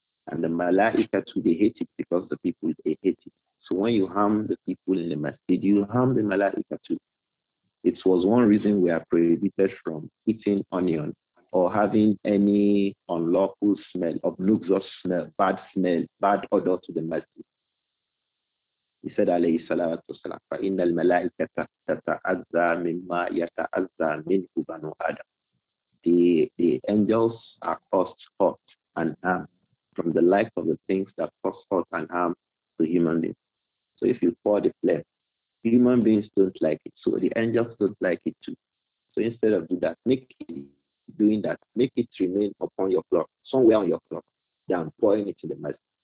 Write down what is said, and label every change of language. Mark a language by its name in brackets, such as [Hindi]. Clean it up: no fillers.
[English] And the malaika too, they hate it because the people, they hate it. So when you harm the people in the masjid, you harm the malaika too. It was one reason we are prohibited from eating onion or having any unlawful smell, obnoxious smell, bad smell, bad odor to the masjid. He said, [Arabic] alayhi salatu wasalam, فَإِنَّ الْمَلَائِكَةَ تَتَعَذَّى مِمَّا يَتَعَذَّى مِنْهُ بَنُوا آدَمَ. [English] The angels are caused hurt and harm from the like of the things that cause hurt and harm to human beings. So if you pour the flame, human beings don't like it. So the angels don't like it too. So instead of doing that, make it remain upon your cloth, somewhere on your cloth, than pouring it in the masjid.